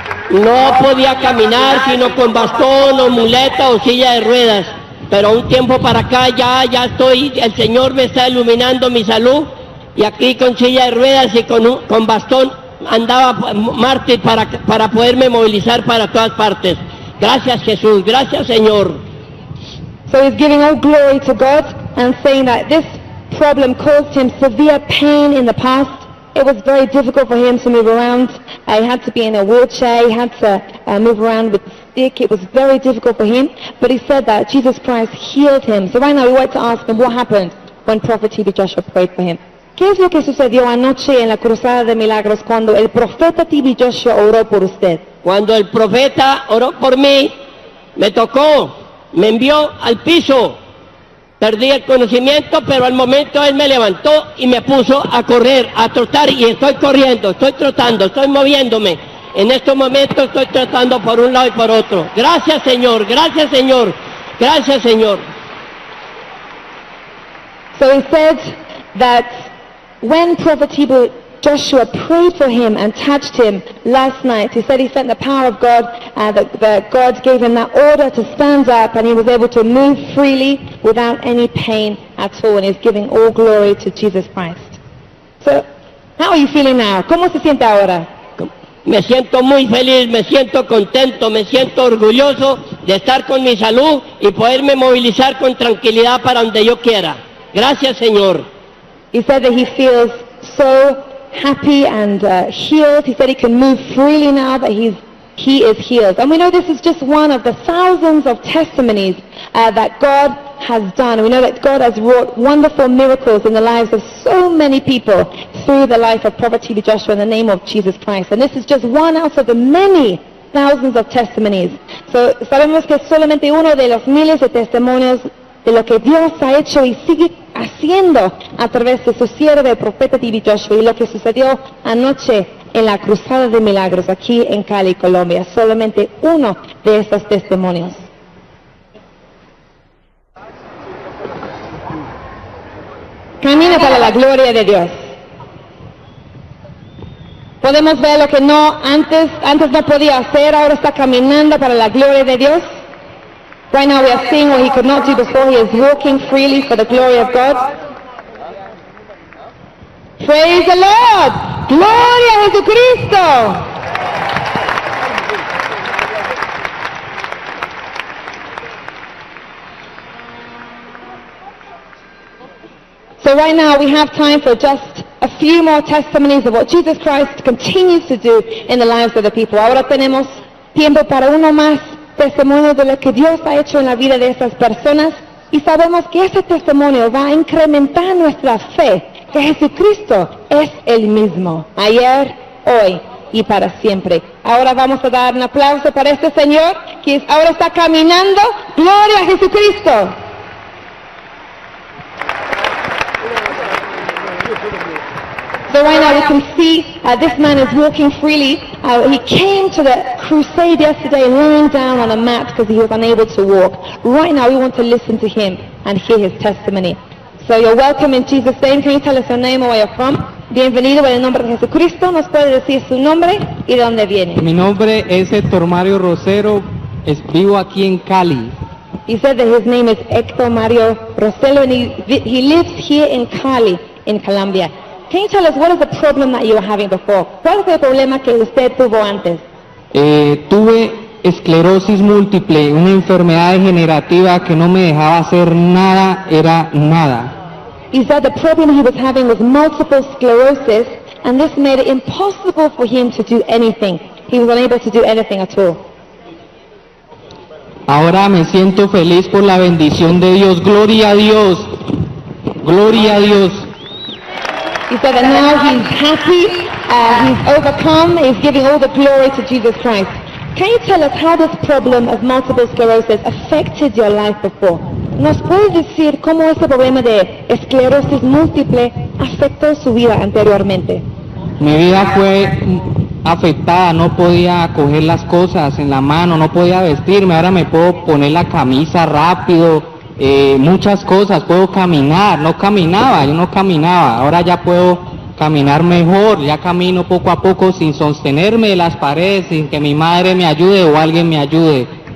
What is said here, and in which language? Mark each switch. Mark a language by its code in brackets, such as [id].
[es] No podía caminar sino con bastón o muleta o silla de ruedas, pero un tiempo para acá ya estoy, el Señor me está iluminando mi salud, y aquí con silla de ruedas y con bastón andaba mártir para poderme movilizar para todas partes. Gracias, Jesús. Gracias, Señor. [en] So he's giving all glory to God and saying that this problem caused him severe pain in the past. It was very difficult for him to move around. He had to be in a wheelchair. He had to move around with a stick. It was very difficult for him. But he said that Jesus Christ healed him. So right now we want to ask him what happened when Prophet T.B. Joshua prayed for him. [es] ¿Qué es lo que sucedió anoche en la Cruzada de Milagros cuando el profeta T.B. Joshua oró por usted? Cuando el profeta oró por mí, me tocó, me envió al piso. Perdí el conocimiento, pero al momento él me levantó y me puso a correr, a trotar, y estoy corriendo, estoy trotando, estoy moviéndome. En estos momentos estoy trotando por un lado y por otro. Gracias, Señor, gracias, Señor, gracias, Señor. [en] So he said that when Prophet Joshua prayed for him and touched him last night, he said he felt the power of God, that God gave him that order to stand up, and he was able to move freely without any pain at all, and he's giving all glory to Jesus Christ. So, how are you feeling now? [es] ¿Cómo se siente ahora? Me siento muy feliz, me siento contento, me siento orgulloso de estar con mi salud y poderme movilizar con tranquilidad para donde yo quiera. Gracias, Señor. [en] He said that he feels so happy and healed. He said he can move freely now that he is healed. And we know this is just one of the thousands of testimonies that God has done. We know that God has wrought wonderful miracles in the lives of so many people through the life of Prophet T.B. Joshua in the name of Jesus Christ. And this is just one out of the many thousands of testimonies. [es] So sabemos que solamente uno de los miles de testimonios de lo que Dios ha hecho y sigue haciendo a través de su siervo, el profeta T.B. Joshua, y lo que sucedió anoche en la Cruzada de Milagros aquí en Cali, Colombia. Solamente uno de esos testimonios. Camina para la gloria de Dios. Podemos ver lo que antes no podía hacer, ahora está caminando para la gloria de Dios. [en] Right now we are seeing what he could not do before. He is walking freely for the glory of God. Praise the Lord! [es] Gloria a Jesucristo! [en] So right now we have time for just a few more testimonies of what Jesus Christ continues to do in the lives of the people. [es] Ahora tenemos tiempo para uno más. Testimonio de lo que Dios ha hecho en la vida de esas personas, y sabemos que ese testimonio va a incrementar nuestra fe que Jesucristo es el mismo ayer, hoy y para siempre. Ahora vamos a dar un aplauso para este Señor que ahora está caminando. ¡Gloria a Jesucristo! [en] So right now we can see this man is walking freely. He came to the crusade yesterday lying down on a mat because he was unable to walk. Right now we want to listen to him and hear his testimony. So you're welcome in Jesus' name. Can you tell us your name or where you're from? [es] Bienvenido en el nombre de Jesucristo. ¿Nos puede decir su nombre y de dónde viene? Mi nombre es Héctor Mario Rosero. Vivo aquí en Cali. [en] He said that his name is Héctor Mario Rosero and he lives here in Cali, in Colombia. Can you tell us what is the problem that you were having before? [es] ¿Cuál fue el problema que usted tuvo antes? Tuve esclerosis múltiple, una enfermedad degenerativa que no me dejaba hacer nada, era nada. [en] He said the problem he was having was multiple sclerosis and this made it impossible for him to do anything. He was unable to do anything at all. [es] Ahora me siento feliz por la bendición de Dios. Gloria a Dios. Gloria a Dios. [en] He said that now he's happy, he's overcome, he's giving all the glory to Jesus Christ. Can you tell us how this problem of multiple sclerosis affected your life before? [es] ¿Nos puedes decir cómo este problema de esclerosis múltiple afectó su vida anteriormente? Mi vida fue afectada, no podía coger las cosas en la mano, no podía vestirme, ahora me puedo poner la camisa rápido, muchas cosas, puedo caminar, no caminaba, ahora ya puedo caminar mejor, ya camino poco a poco sin sostenerme de las paredes, sin que mi madre me ayude o alguien me ayude.